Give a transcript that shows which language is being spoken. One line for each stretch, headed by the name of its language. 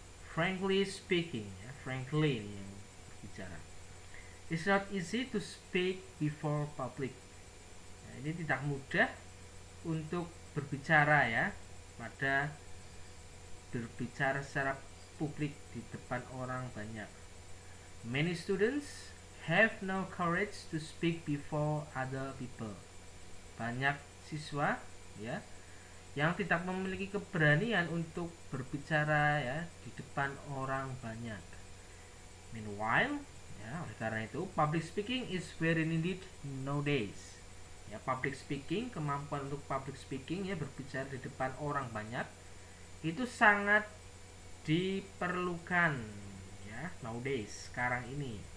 English: Frankly speaking, ya, yeah, frankly
Indonesian: ini yang bicara.
English: It's not easy to speak before public.
Indonesian: Nah, ini tidak mudah untuk berbicara, ya, pada berbicara secara publik di depan orang banyak.
English: Many students have no courage to speak before other people.
Indonesian: Banyak siswa, ya, yang tidak memiliki keberanian untuk berbicara, ya, di depan orang banyak.
English: Meanwhile, ya,
Indonesian: oleh karena itu,
English: public speaking is very needed nowadays.
Indonesian: Ya, public speaking, kemampuan untuk public speaking, ya, berbicara di depan orang banyak, itu sangat diperlukan, ya, nowadays, sekarang ini.